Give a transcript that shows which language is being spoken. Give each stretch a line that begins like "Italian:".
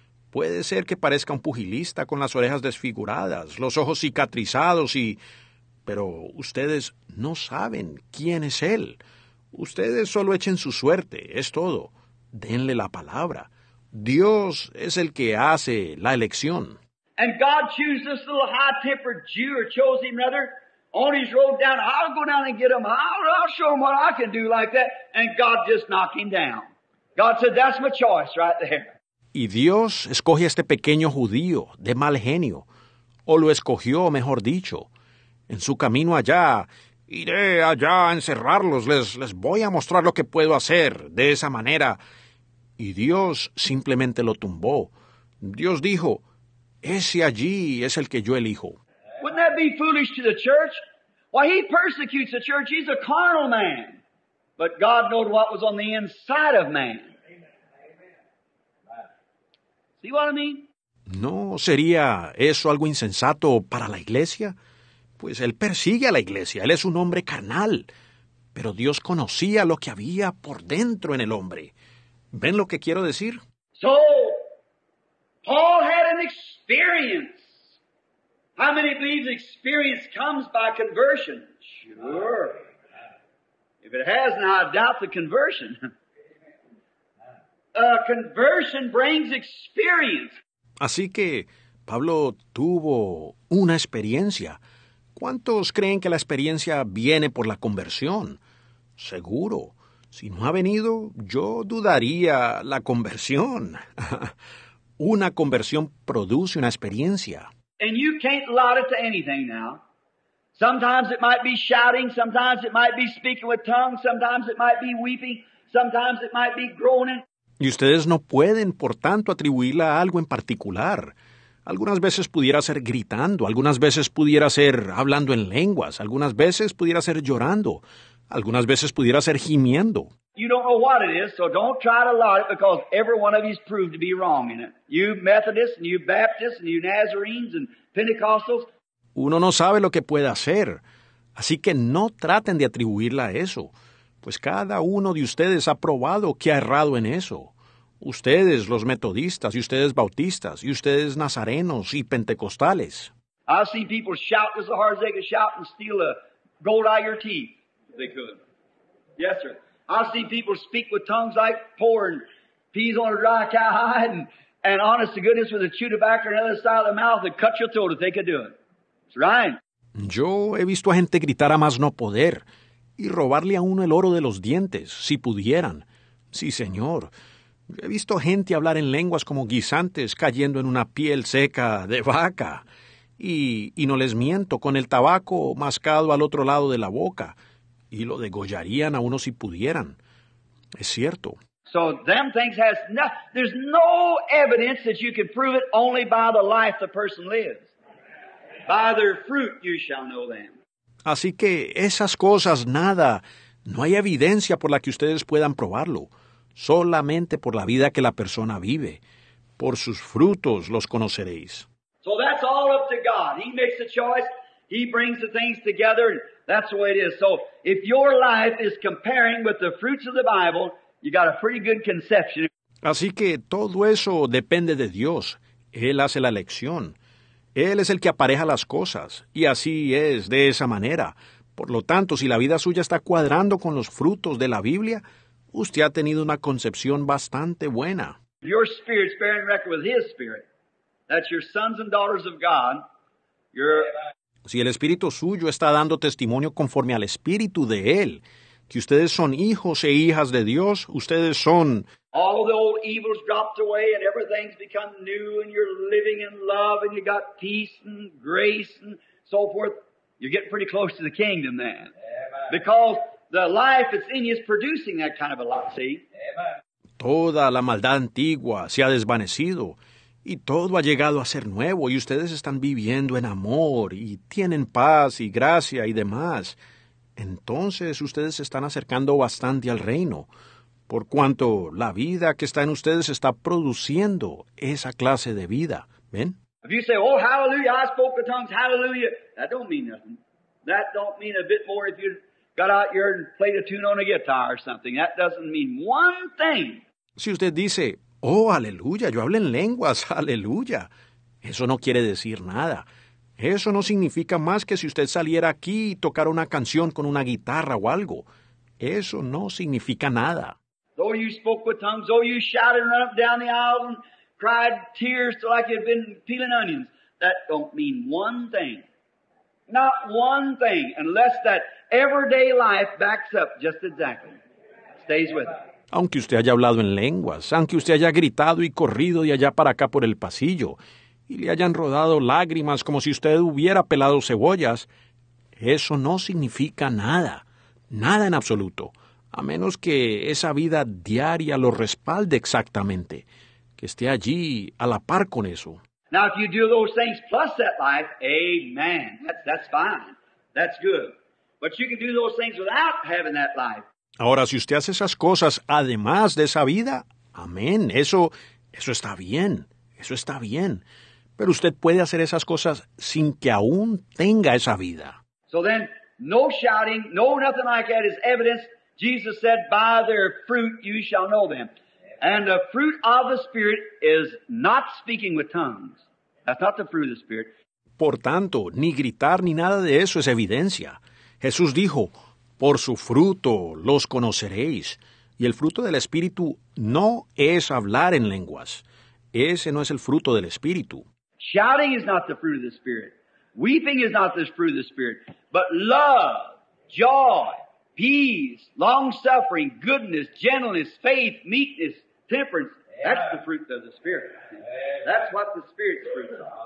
Spanish: Puede ser que parezca un pugilista con las orejas desfiguradas, los ojos cicatrizados y... Pero ustedes no saben quién es él. Ustedes solo echen su suerte, es todo. Denle la palabra. Dios es el que hace la elección.
English: And God chose this little high-tempered Jew, or chose him rather, on his road down. I'll go down and get him. I'll show him what I can do like that. And God just knocked him down. God said, that's my choice right there.
Spanish: Y Dios escoge a este pequeño judío de mal genio, o lo escogió, mejor dicho, en su camino allá. Iré allá a encerrarlos, les voy a mostrar lo que puedo hacer de esa manera. Y Dios simplemente lo tumbó. Dios dijo, ese allí es el que yo elijo.
English: Wouldn't that be foolish to the church? Why, he persecutes the church. He's a carnal man. But God knows what was on the inside of man. See what I mean?
Spanish: ¿No sería eso algo insensato para la iglesia? Pues él persigue a la iglesia. Él es un hombre carnal. Pero Dios conocía lo que había por dentro en el hombre. ¿Ven lo que quiero decir?
English: So, Paul had an experience. How many believe experience comes by conversion? Sure. If it has, now I doubt the conversion. Conversion brings experience.
Spanish: Así que Pablo tuvo una experiencia. ¿Cuántos creen que la experiencia viene por la conversión? Seguro. Si no ha venido, yo dudaría la conversión. Una conversión produce una experiencia.
English: And you can't lot it to anything now. Sometimes it might be shouting, sometimes it might be speaking with tongues, sometimes it might be weeping, sometimes it might be groaning.
Spanish: Y ustedes no pueden, por tanto, atribuirla a algo en particular. Algunas veces pudiera ser gritando, algunas veces pudiera ser hablando en lenguas, algunas veces pudiera ser llorando, algunas veces pudiera ser gimiendo.
English: You don't know what it is, so don't try to lie it because every one of you is proved to be wrong in it. You Methodists, and you Baptists, and you Nazarenes, and Pentecostals.
Spanish: Uno no sabe lo que puede hacer, así que no traten de atribuirla a eso. Pues cada uno de ustedes ha probado que ha errado en eso. Ustedes, los metodistas, y ustedes bautistas, y ustedes nazarenos y pentecostales.
English: I've seen people shout as hard as they could shout and steal a gold out of your teeth. They could. Yes, sir. I've seen people speak with tongues like pouring peas on a dry cowhide and honest to goodness with a chew tobacco on the other side of the mouth and cut your throat if they could do it. It's right.
Spanish: Yo he visto a gente gritar a más no poder. Y robarle a uno el oro de los dientes, si pudieran. Sí, señor. Yo he visto gente hablar en lenguas como guisantes cayendo en una piel seca de vaca. Y no les miento, con el tabaco mascado al otro lado de la boca. Y lo degollarían a uno si pudieran. Es cierto.
English: So them things has no, there's no evidence that you can prove it only by the life the person lives. By their fruit you shall know them.
Spanish: Así que esas cosas, nada, no hay evidencia por la que ustedes puedan probarlo. Solamente por la vida que la persona vive. Por sus frutos los conoceréis.
English: So that's all up to God. He makes the choice. He brings the things together. That's the way it is. So if your life is comparing with the fruits of the Bible, you got a pretty good conception.
Spanish: Así que todo eso depende de Dios. Él hace la elección. Él es el que apareja las cosas, y así es, de esa manera. Por lo tanto, si la vida suya está cuadrando con los frutos de la Biblia, usted ha tenido una concepción bastante buena.
English: Your spirit's bearing record with his spirit. That's your sons and daughters of God.
Spanish: Si el espíritu suyo está dando testimonio conforme al espíritu de él, que ustedes son hijos e hijas de Dios, ustedes son...
English: All the old evils dropped away and everything's become new and you're living in love and you got peace and grace and so forth. You're getting pretty close to the kingdom then. Because the life that's in you is producing that kind of a life, see?
Spanish: Toda la maldad antigua se ha desvanecido y todo ha llegado a ser nuevo y ustedes están viviendo en amor y tienen paz y gracia y demás. Entonces ustedes se están acercando bastante al reino. Por cuanto la vida que está en ustedes está produciendo esa clase de vida. ¿Ven?
English: If you say, oh, hallelujah, I spoke the tongues, hallelujah, that don't mean nothing. That don't mean a bit more if you got out here and played a tune on a guitar or something. That doesn't mean one thing.
Spanish: Si usted dice, oh, aleluya, yo hablo en lenguas, aleluya, eso no quiere decir nada. Eso no significa más que si usted saliera aquí y tocara una canción con una guitarra o algo. Eso no significa nada.
English: Though you spoke with tongues, though you shouted and run up down the aisle and cried tears like you'd been peeling onions, that don't mean one thing. Not one thing, unless that everyday life backs up just exactly. Stays with it.
Spanish: Aunque usted haya hablado en lenguas, aunque usted haya gritado y corrido de allá para acá por el pasillo, y le hayan rodado lágrimas como si usted hubiera pelado cebollas, eso no significa nada. Nada en absoluto, a menos que esa vida diaria lo respalde exactamente, que esté allí a la par con eso.
English: Now, if you do those things plus that life, amen, that's fine, that's good. But you can do those things without having that life.
Spanish: Ahora, si usted hace esas cosas además de esa vida, amén, eso está bien, eso está bien. Pero usted puede hacer esas cosas sin que aún tenga esa vida.
English: So then, no shouting, no nothing like that is evidence. Jesus said, by their fruit you shall know them. And the fruit of the Spirit is not speaking with tongues. That's not the fruit of the Spirit.
Spanish: Por tanto, ni gritar ni nada de eso es evidencia. Jesús dijo, por su fruto los conoceréis. Y el fruto del Espíritu no es hablar en lenguas. Ese no es el fruto del Espíritu.
English: Shouting is not the fruit of the Spirit. Weeping is not the fruit of the Spirit. But love, joy, peace, long-suffering, goodness, gentleness, faith, meekness, temperance. That's the fruit of the Spirit. That's what the Spirit's fruit is.